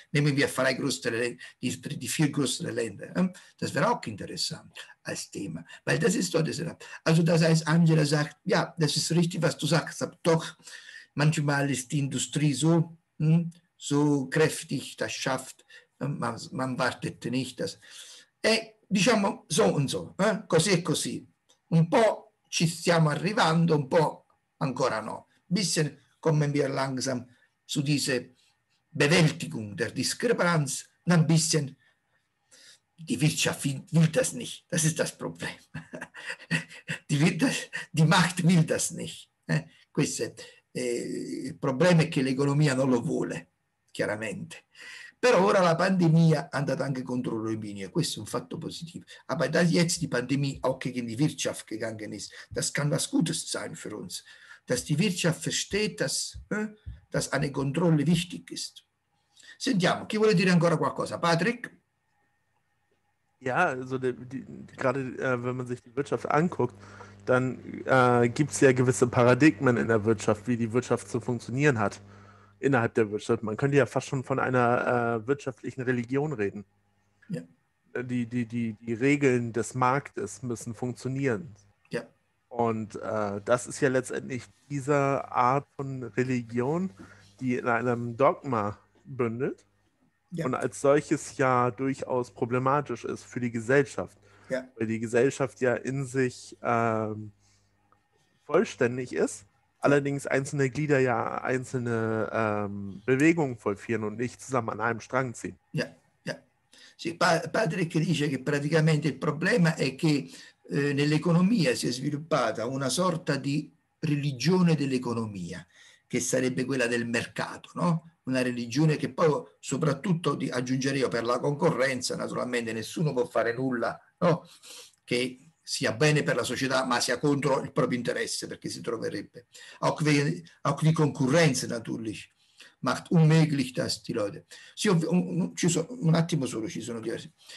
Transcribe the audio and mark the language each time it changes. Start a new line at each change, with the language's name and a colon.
German: Nehmen wir die vier größeren Länder. Das wäre auch interessant als Thema. Weil das ist doch das. Also das heißt, Angela sagt, ja, das ist richtig, was du sagst, aber doch, manchmal ist die Industrie so, so kräftig, das schafft, man wartet nicht. Das.
Italian: E diciamo
German: so und so,
Italian: così e così. Un po' ci stiamo arrivando, un po' ancora no.
German: Bisschen kommen wir langsam zu dieser Bewältigung der Diskrepanz, ein bisschen, die Wirtschaft will das nicht, das ist das Problem. Die Macht will das nicht.
Italian: Questo è il problema, è che l'economia non lo vuole, chiaramente. Però ora la pandemia è andata anche contro l'Eubinia, questo è un fatto positivo.
German: Aber da jetzt die Pandemie auch gegen die Wirtschaft gegangen ist, das kann was Gutes sein für uns, dass die Wirtschaft versteht, dass eine Kontrolle wichtig ist.
Italian: Sentiamo, chi vuole dire ancora qualcosa? Patrick?
German: Ja, also gerade wenn man sich die Wirtschaft anguckt, dann gibt es ja gewisse Paradigmen in der Wirtschaft, wie die Wirtschaft zu funktionieren hat, innerhalb der Wirtschaft. Man könnte ja fast schon von einer wirtschaftlichen Religion reden. Ja. Die Regeln des Marktes müssen funktionieren. Ja. Und das ist ja letztendlich diese Art von Religion, die in einem Dogma bündelt, ja, und als solches ja durchaus problematisch ist für die Gesellschaft. Ja. Weil die Gesellschaft ja in sich vollständig ist, allerdings einzelne Glieder ja einzelne Bewegungen vollführen und nicht zusammen an einem Strang ziehen. Ja, ja.
Italian: Sì, Patrick dice che praticamente il problema è che nell'economia si è sviluppata una sorta di religione dell'economia, che sarebbe quella del mercato, no? Una religione che poi, soprattutto, aggiungerei io, per la concorrenza, naturalmente nessuno può fare nulla, no? Che sia bene per la società, ma sia contro il proprio interesse, perché si troverebbe.
German: Auch die Konkurrenz natürlich macht unmöglich, dass die Leute.
Italian: Sì, un attimo solo, ci sono diversi.